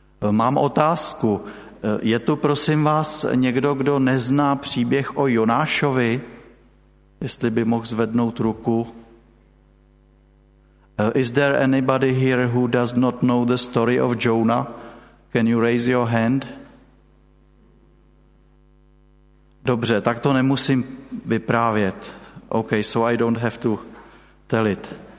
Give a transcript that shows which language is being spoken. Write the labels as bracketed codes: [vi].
[cs] Mám otázku. Je tu prosím vás někdo, kdo nezná příběh o Jonášovi? Jestli by mohl zvednout ruku. [en] Is there anybody here who does not know the story of Jonah? Can you raise your hand? [cs] Dobře, tak to nemusím vyprávět. [en] OK, so I don't have to tell it.